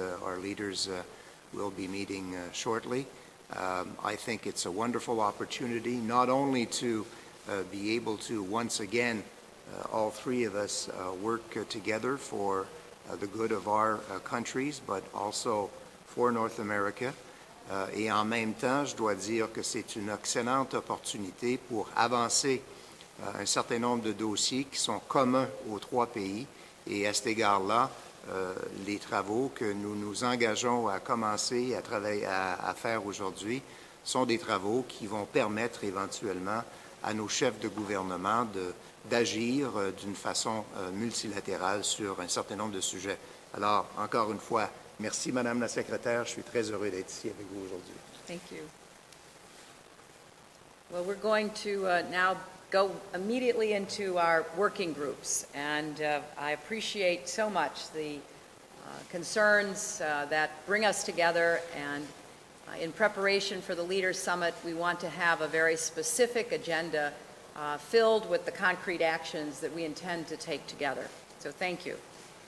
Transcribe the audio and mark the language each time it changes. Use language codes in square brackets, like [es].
[en] Our leaders will be meeting shortly. I think it's a wonderful opportunity not only to be able to once again all three of us work together for the good of our countries, but also for North America. [fr] Et en même temps, je dois dire que c'est une excellente opportunité pour avancer un certain nombre de dossiers qui sont communs aux trois pays. Et à cet égard-là, les travaux que nous nous engageons à commencer à faire aujourd'hui sont des travaux qui vont permettre éventuellement à nos chefs de gouvernement d'agir d'une façon multilatérale sur un certain nombre de sujets. Alors, encore une fois, merci, Madame la Secrétaire. Je suis très heureux d'être ici avec vous aujourd'hui. [en] Thank you. Well, we're going to now go immediately into our working groups. And I appreciate so much the concerns that bring us together. And in preparation for the Leaders Summit, we want to have a very specific agenda filled with the concrete actions that we intend to take together. So thank you.